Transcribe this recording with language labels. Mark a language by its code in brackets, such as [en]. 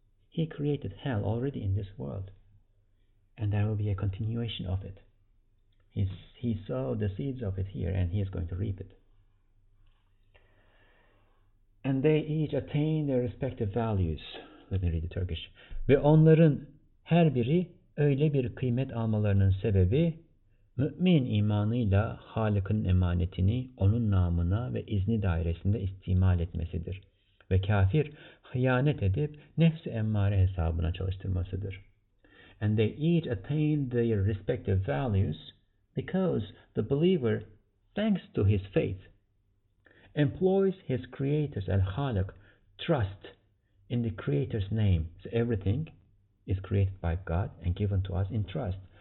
[en] He created hell already in this world, and there will be a continuation of it. He sowed the seeds of it here, and he is going to reap it. And they each attain their respective values. Let me read the Turkish. [tr] Ve onların her biri öyle bir kıymet almalarının sebebi, mümin imanıyla Halık'ın emanetini onun namına ve izni dairesinde istimal etmesidir. Ve kafir hıyanet edip nefsi emmare hesabına çalıştırmasıdır. [en] And they each attain their respective values because the believer, thanks to his faith, employs his creator's al-Halik trust in the creator's name. So everything is created by God and given to us in trust.